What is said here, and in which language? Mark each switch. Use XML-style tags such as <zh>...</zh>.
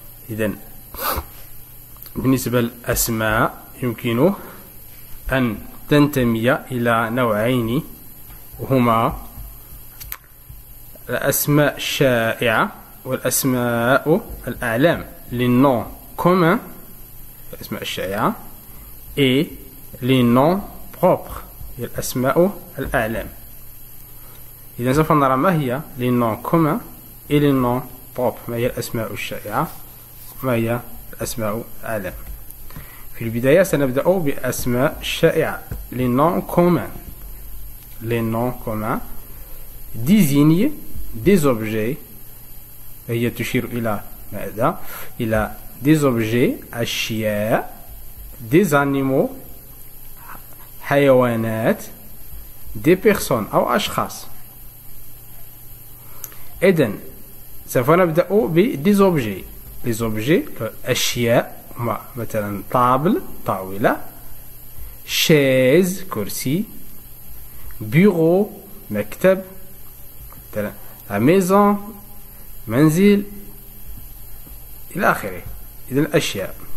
<ar>إذن بالنسبة للأسماء يمكن أن تنتمي إلى نوعين وهما الأسماء الشائعة والأسماء الأعلام.</ar> <fr>Les noms communs,</fr> <ar>الأسماء الشائعة,</ar> <fr>et les noms propres,</fr> <ar>الأسماء الأعلام. إذن سوف نرى ما هي</ar> <fr>les noms communs et les noms propres,</fr> <ar>ما هي الأسماء الشائعة ما هي الأسماء الأعلام. في البداية سنبدأ بأسماء الشائعة,</ar> <fr>les noms communs. Les noms communs désignent des objets,</fr> <ar>هي تشير إلى ماذا؟ إلى</ar> <fr>des objets, أشياء, des animaux, حيوانات, des personnes</fr> <ar>أو أشخاص. إذن سوف نبدأ ب</ar> <fr>des objets. Les objets,</fr> <ar>أشياء, مثلا طابل, طاولة, chaise, كرسي, bureau, مكتب, مثلا</ar> <fr>la maison,</fr> <ar>منزل, إلى آخره. إذن الأشياء.</ar>